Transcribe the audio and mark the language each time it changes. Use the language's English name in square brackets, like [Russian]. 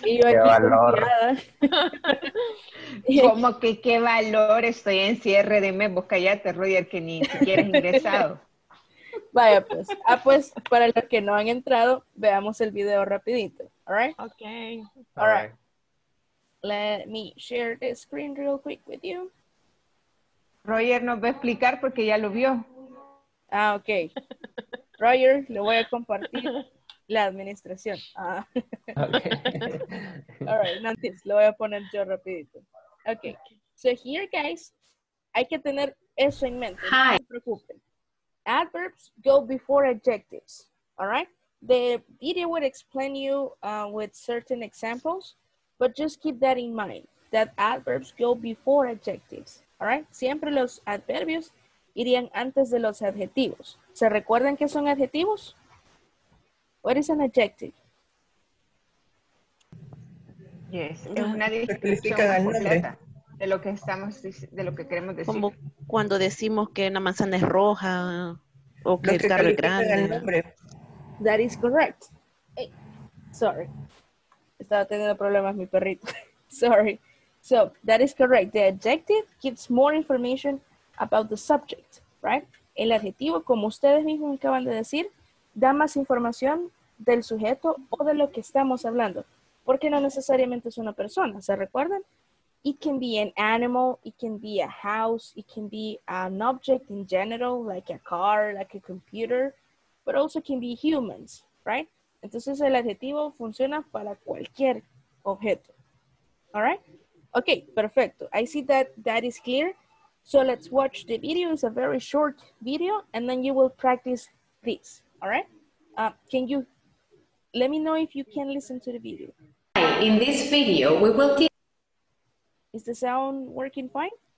[Spanish] Y yo qué aquí valor. ¿Cómo que qué valor? Estoy en cierre de mes. Vos callate, Roger, que ni siquiera has ingresado. Vaya, pues. Ah, pues, para los que no han entrado, veamos el video rapidito. [English] All right? Okay. All right. Let me share the screen real quick with you. [Spanish] Roger nos va a explicar porque ya lo vio. Ah, ok. Roger, le voy a compartir la administración. Ah. [English] Okay. All right, [Spanish] Nantes, lo voy a poner yo rapidito. Ok. [English] So here, guys, [Spanish] hay que tener eso en mente. [English] Hi. [Spanish] No se preocupen. [English] Adverbs go before adjectives. All right? The video would explain you with certain examples, but just keep that in mind, that adverbs go before adjectives. All right? [Spanish] Siempre los adverbios irían antes de los adjetivos. ¿Se recuerdan qué son adjetivos? [English] What is an adjective? [Spanish] Yes, es una descripción completa de lo que estamos, de lo que queremos decir. Como cuando decimos que una manzana es roja o que el carro es grande. El nombre. [English] That is correct. Hey, sorry. [Spanish] Estaba teniendo problemas mi perrito. [English] Sorry. So, that is correct. The adjective gives more information about the subject, right? [Spanish] El adjetivo, como ustedes mismos acaban de decir, da más información del sujeto o de lo que estamos hablando, porque no necesariamente es una persona, ¿se recuerdan? [English] It can be an animal, it can be a house, it can be an object in general, like a car, like a computer, but also can be humans, right? [Spanish] Entonces el adjetivo funciona para cualquier objeto, [English] all right? Okay, perfecto. I see that that is clear. So let's watch the video. It's a very short video, and then you will practice this. All right? Can you let me know if you can listen to the video? In this video, we will teach. Is the sound working fine?